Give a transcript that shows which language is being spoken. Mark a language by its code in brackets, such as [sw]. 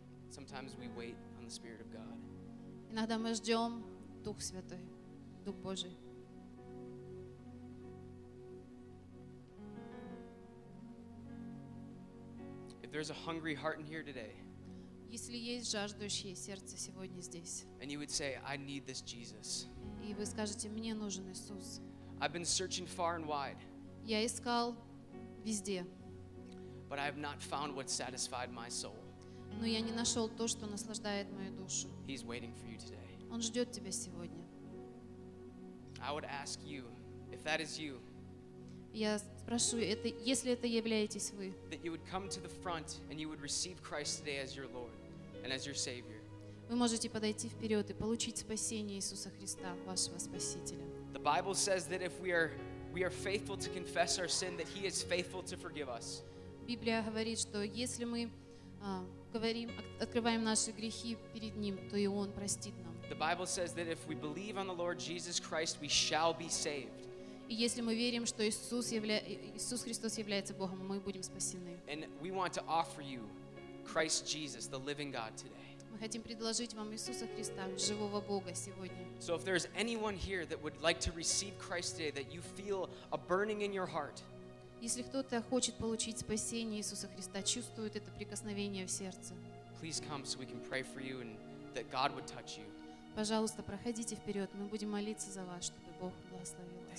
[en] Sometimes we wait on the Spirit of God. [ru] Иногда мы ждем Дух Святой, Дух Божий. [en] If there's a hungry heart in here today, [ru] если есть жаждущее сердце сегодня здесь, [en] and you would say, I need this Jesus. [ru] И вы скажете, мне нужен Иисус. [en] I've been searching far and wide. [ru] Я искал везде. [en] But I have not found what satisfied my soul. [ru] Но я не нашел то, что наслаждает мою душу. [en] He's waiting for you today. [ru] Он ждет тебя сегодня. [en] I would ask you, if that is you, [ru] я спрошу, это, если это являетесь вы, [en] that you would come to the front and you would receive Christ today as your Lord and as your Savior. [ru] Вы можете подойти вперед и получить спасение Иисуса Христа, вашего Спасителя. [en] The Bible says that if we are faithful to confess our sin, that He is faithful to forgive us. [ru] Библия говорит, что если мы говорим, открываем наши грехи перед Ним, то и Он простит нам. [en] The Bible says that if we believe on the Lord Jesus Christ, we shall be saved. [ru] И если мы верим, что Иисус Христос является Богом, мы будем спасены. [en] And we want to offer you Christ Jesus, the living God today. [ru] Мы хотим предложить вам Иисуса Христа, живого Бога сегодня. [en] So if there's anyone here that would like to receive Christ today, that you feel a burning in your heart, [ru] если кто-то хочет получить спасение Иисуса Христа, чувствует это прикосновение в сердце, [en] please come so we can pray for you and that God would touch you. [ru] Пожалуйста, проходите вперед. Мы будем молиться за вас, чтобы Бог благословил вас.